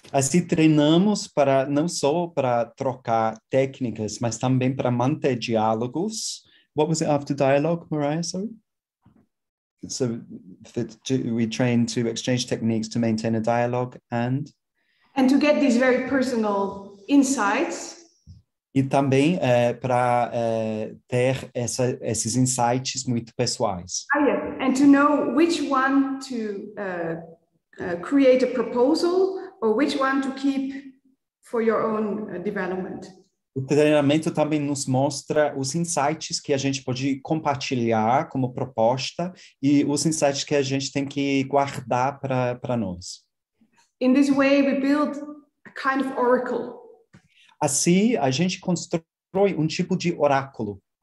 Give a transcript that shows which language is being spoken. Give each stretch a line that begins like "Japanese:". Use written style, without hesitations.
Portuguese: Assim treinamos para não só para trocar técnicas, mas também para manter diálogos.
English: What was it after dialogue, Mariah? Sorry. So we train to exchange techniques to maintain a dialogue and to get these very personal insights.
Portuguese: E também para ter esses insights muito pessoais.
English: Ah, yeah. And to know which one to create a proposal or which one to keep for your own development.
Portuguese: O treinamento também nos mostra os insights que a gente pode compartilhar como proposta e os insights que a gente tem que guardar para nós.
English: In this way, we build a kind of oracle.
Portuguese: Assim, a gente constrói um tipo de oráculo.